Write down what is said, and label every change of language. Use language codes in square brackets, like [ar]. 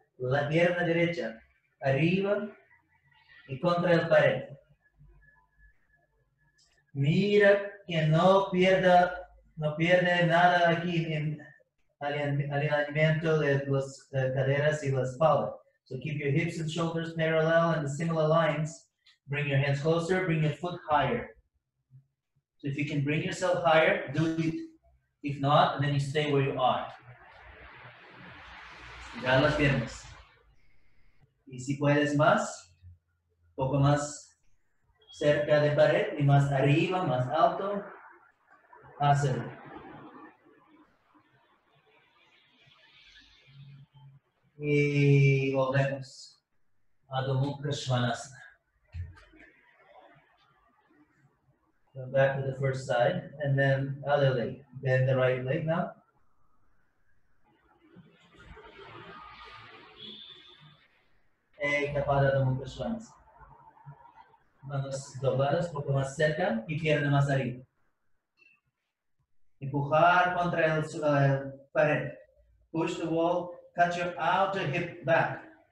[es] La pierna derecha arriba y contra el pared. Mira que no pierde nada aquí en alineamiento de las caderas y la espalda. [en] So keep your hips and shoulders parallel and similar lines. Bring your hands closer, bring your foot higher. So if you can bring yourself higher, do it. If not, then you stay where you are. [es] Ya las piernas. Y si puedes más, un poco más cerca de pared y más arriba, más alto, hazlo. Y volvemos. Adho Mukha Svanasana. [en] Go back to the first side and then other leg. Bend the right leg now. Ekapada Adho Mukha Svanasana. [es] Manos dobladas, un poco más cerca y pierna más arriba. Empujar contra el pared. [en] Push the wall, cut your outer hip back.